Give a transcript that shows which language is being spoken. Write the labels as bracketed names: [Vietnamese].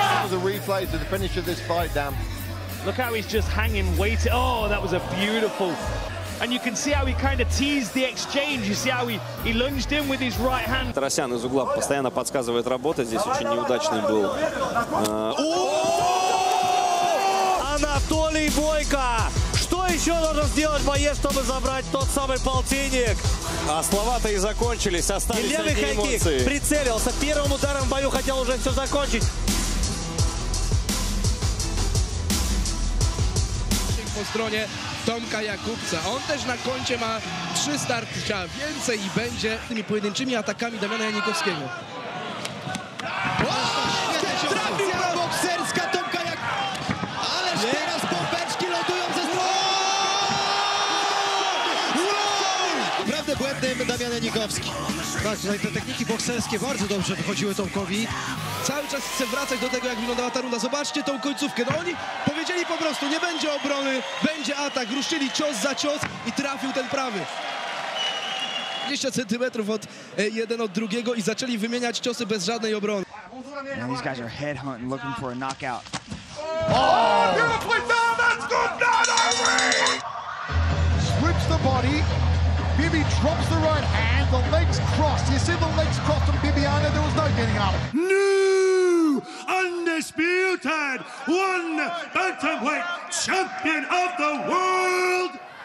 [English] The replay to the finish of this fight, Dan. Look how he's just hanging, waiting. Oh, that was a beautiful. And you can see how he kind of teased the exchange. You see how he lunged in with his right hand. [Russian] Тарасян из угла постоянно подсказывает работу. Здесь очень неудачный был. Анатолий Бойко. Что еще нужно сделать боец, чтобы забрать тот самый полтинник? А слова-то и закончились. Остались одни эмоции. Левый хайкик прицелился. Первым ударом в бою хотел уже все закончить. [Polish] Po stronie Tomka Jakubca. On też na koncie ma trzy starcia więcej i będzie tymi pojedynczymi atakami Damiana Janikowskiego. Trafiła bokserska Tomka Jakubca. Ależ nie. Teraz pompeczki lotują ze strony. Naprawdę błędny Damian Janikowski. Tak, tutaj te techniki bokserskie bardzo dobrze wychodziły Tomkowi. Cały czas chcę wracać do tego, jak wyglądała ta runda. Zobaczcie tą końcówkę. No oni powiedzieli po prostu, nie będzie obrony, będzie atak. Ruszyli cios za cios i trafił ten prawy. 20 centymetrów od jeden od drugiego i zaczęli wymieniać ciosy bez żadnej obrony. [English] Now these guys are head hunting, looking for a knockout. Oh, beautifully done, that's good, not Ivory! Switch the body. Bibi drops the right hand, the legs crossed. You see the legs crossed on Bibiana, there was no getting out. New undisputed one bantamweight champion of the world.